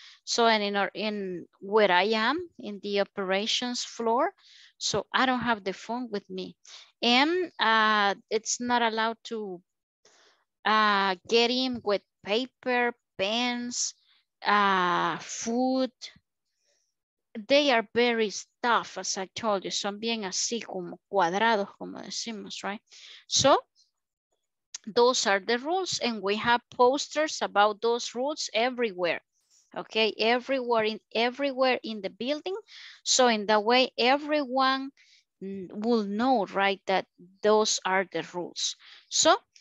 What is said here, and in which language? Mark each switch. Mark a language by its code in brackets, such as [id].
[en] So, and in where I am in the operations floor, so I don't have the phone with me. And it's not allowed to get in with paper, pens, food. They are very tough, as I told you. [es] Son bien así como cuadrados, como decimos, right? [en] So, those are the rules, and we have posters about those rules everywhere. Okay, everywhere in the building. So in that way, everyone will know, right, that those are the rules. So